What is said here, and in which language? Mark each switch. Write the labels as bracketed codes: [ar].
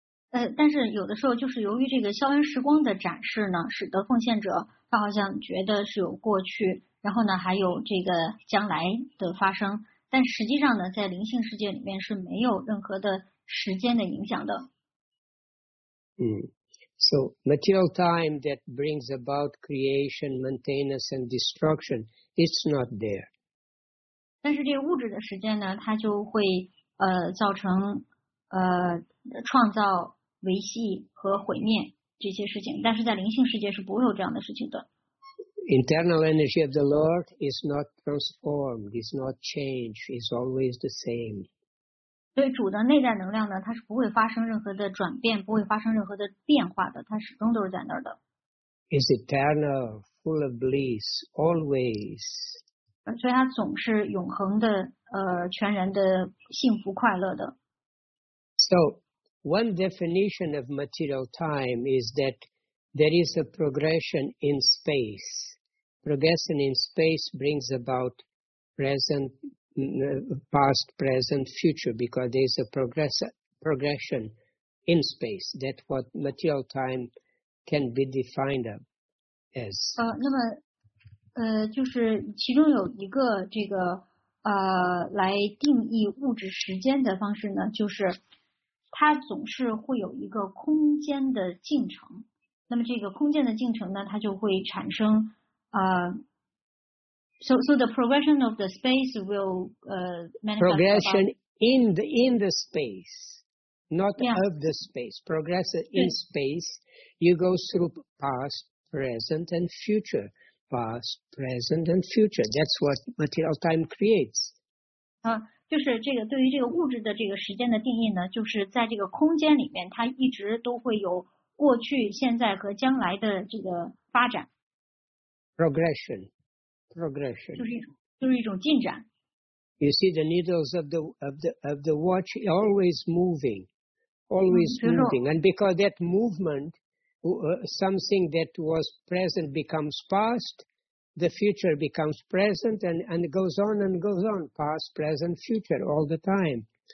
[zh] 但是有的时候就是由于这个消恩时光的展示呢，使得奉献者他好像觉得是有过去，然后呢还有这个将来的发生，但实际上呢，在灵性世界里面是没有任何的时间的影响的。 [en] So material time that brings about creation, maintenance, and destruction, it's not there. [zh] 但是这物质的时间呢，它就会造成创造、维系和毁灭这些事情。但是在灵性世界是不会有这样的事情的。 [en] Internal energy of the Lord is not transformed, is not changed, is always the same. [zh] 对主的内在能量呢，它是不会发生任何的转变，不会发生任何的变化的，它始终都是在那儿的。 [en] Is eternal, full of bliss, always. [zh] 所以它总是永恒的全然的幸福快乐的。 [en] So, one definition of material time is that there is a progression in space. Progression in space brings about present, past, present, future, because there is a progression in space. That's what material time can be defined as. [zh] 那么就是其中有一个这个来定义物质时间的方式呢，就是它总是会有一个空间的进程。那么这个空间的进程呢，它就会产生 [en] So the progression of the space will manifest. Progression in the space, not of the space. Progress in space, you go through past, present, and future. Past, present, and future. That's what material time creates. [zh] 就是这个对于这个物质的这个时间的定义呢，就是在这个空间里面，它一直都会有过去、现在和将来的这个发展。 [en] Progression. [zh] 就是一种进展。 [en] You see the needles of the watch always moving, always moving, and because that movement. Something that was present becomes past, the future becomes present, and goes on, past, present, future, all the time.